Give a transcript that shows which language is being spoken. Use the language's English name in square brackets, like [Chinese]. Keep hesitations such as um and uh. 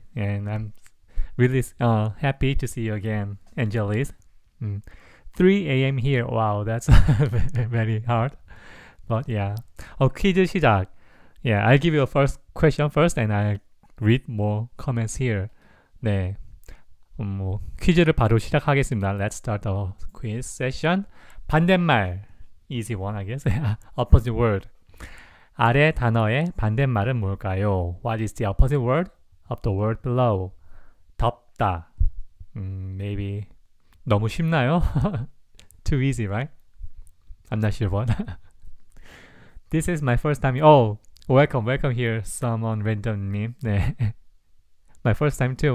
[English] And I'm really uh, happy to see you again, Angelis. Mm. 3 a.m. here. Wow, that's very hard. But yeah. Okay, [Korean] 이제 시작. [English] Yeah, I'll give you a first question first and I'll read more comments here. [Korean] 네. 음, 뭐 퀴즈를 바로 시작하겠습니다. [English] Let's start the quiz session. [Korean] 반대말. [English] Easy one, I guess. opposite word. [Korean] 아래 단어의 반대말은 뭘까요? [English] What is the opposite word of the word below? [Korean] 덥다. [English] 음, maybe [Korean] 너무 쉽나요? [English] Too easy, right? I'm not sure what. This is my first time. Oh, welcome, welcome here, someone random name. 네. my first time too.